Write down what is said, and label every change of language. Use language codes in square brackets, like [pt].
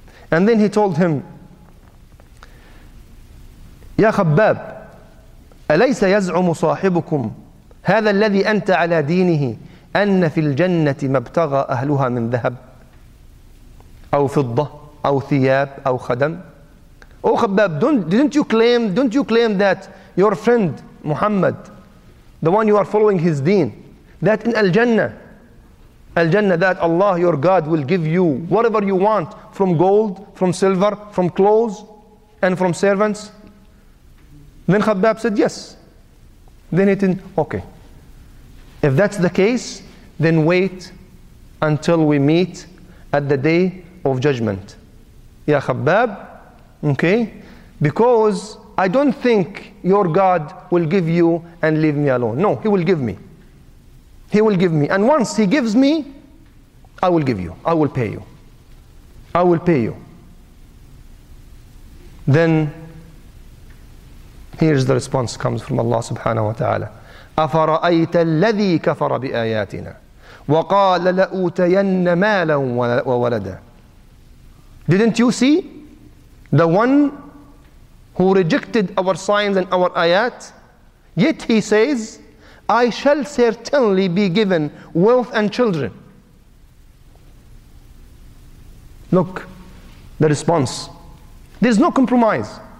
[en] And then he told him, [ar] Ya Khabbab, alaysa yaz'umu sahibukum هذا الذي أنت على دينه أن في الجنة مبتغى أهلها من ذهب أو فضة أو ثياب أو خدم. [en] Oh Khabbab, didn't you claim that your friend Muhammad, the one you are following his deen, that in Al-Jannah that Allah your God will give you whatever you want from gold, from silver, from clothes and from servants? Then Khabbab said yes. Then it didn't, okay. If that's the case, then wait until we meet at the day of judgment. Ya Khabbab, okay? Because I don't think your God will give you and leave me alone. No, he will give me. He will give me. And once he gives me, I will give you. I will pay you. I will pay you. Then, here's the response comes from Allah subhanahu wa ta'ala. [ar] أفرأيت الذي كفر بآياتنا وقال لأوتين مالا وولدا. [en] Didn't you see the one who rejected our signs and our ayat? Yet he says, I shall certainly be given wealth and children. Look, the response. There's no compromise.